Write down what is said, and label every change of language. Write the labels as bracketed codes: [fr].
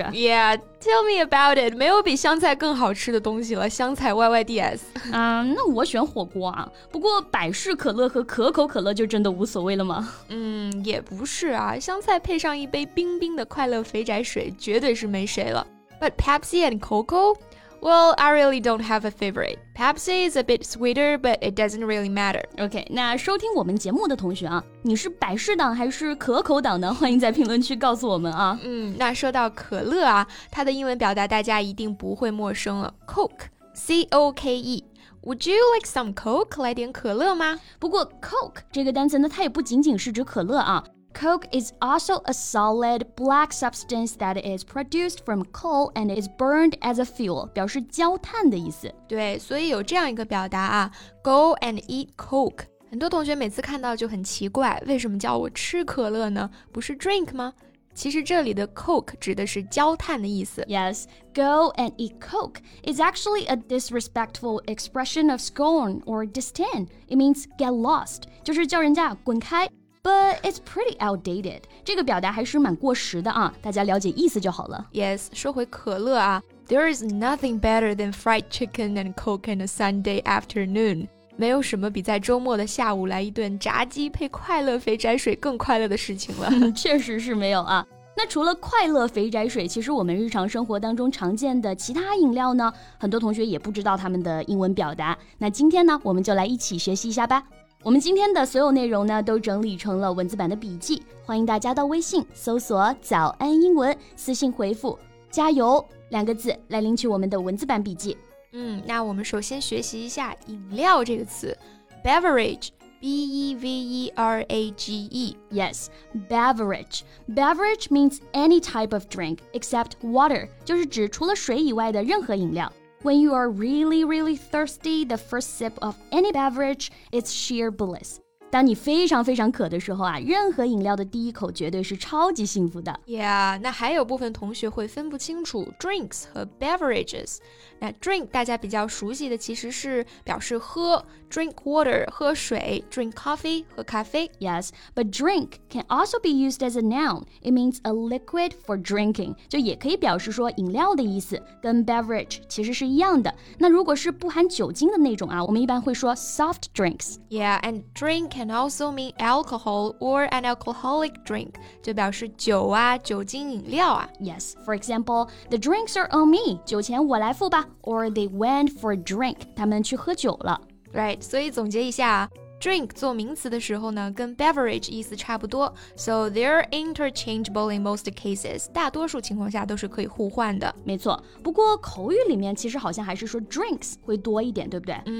[en] Yeah, tell me about it. [zh] 没有比香菜更好吃的东西了，香菜 YYDS。那我选火锅啊。不过百事可乐和可口可乐就真的无所谓了吗？也不是啊，香菜配上一杯冰冰的快乐肥宅水绝对是没谁了。 [en] But Pepsi and Coco? Well, I really don't have a favorite. Pepsi is a bit sweeter, but it doesn't really matter. [zh] Okay, 那收听我们节目的同学啊，你是百事党还是可口党呢？欢迎在评论区告诉我们啊。那说到可乐啊，它的英文表达大家一定不会陌生了。 [en] Coke, C-O-K-E. Would you like some Coke? [zh] 来点可乐吗？不过 Coke 这个单词呢，它也不仅仅是指可乐啊。 [en] Coke is also a solid black substance that is produced from coal and is burned as a fuel, [zh] 表示焦炭的意思。对，所以有这样一个表达啊， [en] go and eat Coke. [zh] 很多同学每次看到就很奇怪，为什么叫我吃可乐呢？不是 drink 吗？其实这里的 coke 指的是焦炭的意思。 [en] Yes, go and eat coke is actually a disrespectful expression of scorn or disdain. It means get lost, [zh] 就是叫人家滚开。 [en] But it's pretty outdated. [zh] 这个表达还是蛮过时的啊，大家了解意思就好了。 [en] Yes, [zh] 说回可乐啊， [en] There is nothing better than fried chicken and coke in a Sunday afternoon. [zh] 没有什么比在周末的下午来一顿炸鸡配快乐肥宅水更快乐的事情了。确实是没有啊。那除了快乐肥宅水，其实我们日常生活当中常见的其他饮料呢，很多同学也不知道他们的英文表达。那今天呢，我们就来一起学习一下吧。我们今天的所有内容呢，都整理成了文字版的笔记，欢迎大家到微信搜索早安英文，私信回复加油两个字来领取我们的文字版笔记。那我们首先学习一下饮料这个词， beverage, B-E-V-E-R-A-G-E. [en] Yes, beverage. Beverage means any type of drink except water, [zh] 就是指除了水以外的任何饮料。 [en] When you are really, really thirsty, the first sip of any beverage is sheer bliss. [zh] 当你非常非常渴的时候啊，任何饮料的第一口绝对是超级幸福的。 Yeah, 那还有部分同学会分不清楚 drinks 和 beverages. 那 drink 大家比较熟悉的其实是表示喝 [en] drink water, [zh] 喝水 [en] drink coffee, [zh] 喝咖啡。 [en] Yes, but drink can also be used as a noun. It means a liquid for drinking. [zh] 就也可以表示说饮料的意思，跟 beverage 其实是一样的。那如果是不含酒精的那种啊，我们一般会说 soft drinks. [en] Yeah, and drinkcan also mean alcohol or an alcoholic drink, [zh] 就表示酒啊，酒精饮料啊。 [en] Yes, for example, the drinks are on me, [zh] 酒钱我来付吧。 [en] Or they went for a drink, [zh] 他们去喝酒了。 Right, 所以总结一下啊， drink 做名词的时候呢，跟 beverage 意思差不多。 [en] So they're interchangeable in most cases, [zh] 大多数情况下都是可以互换的。没错，不过口语里面其实好像还是说 drinks 会多一点，对不对？